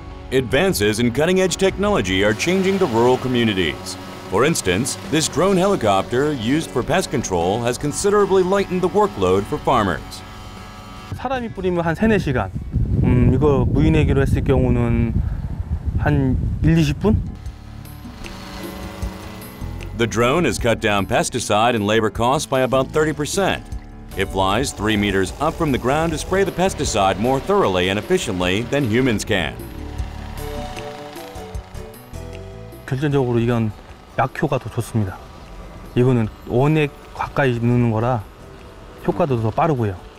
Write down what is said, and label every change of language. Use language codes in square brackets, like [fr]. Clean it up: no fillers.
[en] Advances in cutting-edge technology are changing the rural communities. For instance, this drone helicopter used for pest control has considerably lightened the workload for farmers. [ko] 사람이 뿌리면 한 3, 4시간. 이거 무인회기로 했을 경우는 한 1, 20분? [en] The drone has cut down pesticide and labor costs by about 30%. It flies 3 meters up from the ground to spray the pesticide more thoroughly and efficiently than humans can. [ko] 결정적으로 이건 약효과 더 좋습니다. 이거는 원액 가까이 넣는 거라 효과도 더 빠르고요.